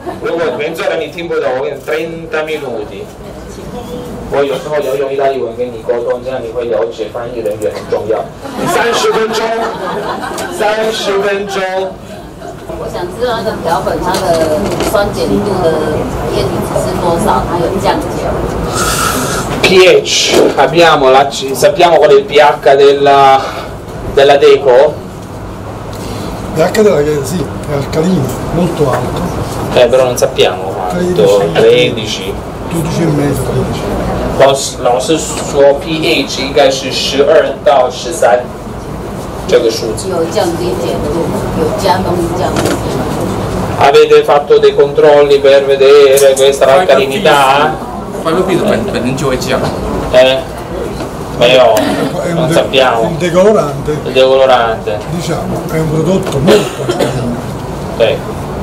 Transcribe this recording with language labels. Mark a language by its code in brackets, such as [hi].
[zh] 如果mezz'ora你听不懂，我给你 [it] 30 minuti。 [zh] 我有时候要用意大利文跟你沟通，这样你会了解翻译人员很重要。三十分钟，三十分钟。我想知道那个漂粉它的酸碱度的 pH 是多少，它有降解。 [it] pH abbiamo la c sappiamo qual è il pH della deco? pH della deco sì, è alcalino, molto alto. Però non sappiamo quanto. 13. 12 e mezzo, 13. [zh] 老师说 pH 应该是12到13这个数字。有降低碱度，有加工降低碱度。 [it] Avete fatto dei controlli per vedere questa alcalinità? Quello qui per non giocare. Meglio, non sappiamo. Il decolorante. Il decolorante. Diciamo, è un prodotto molto alcalino.